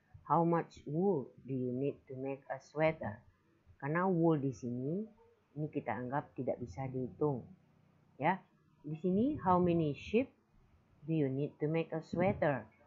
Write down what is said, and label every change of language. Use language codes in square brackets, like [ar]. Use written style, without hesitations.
[en] How much wool do you need to make a sweater? [id] Karena wool di sini, ini kita anggap tidak bisa dihitung. Ya, di sini, [en] how many sheep do you need to make a sweater?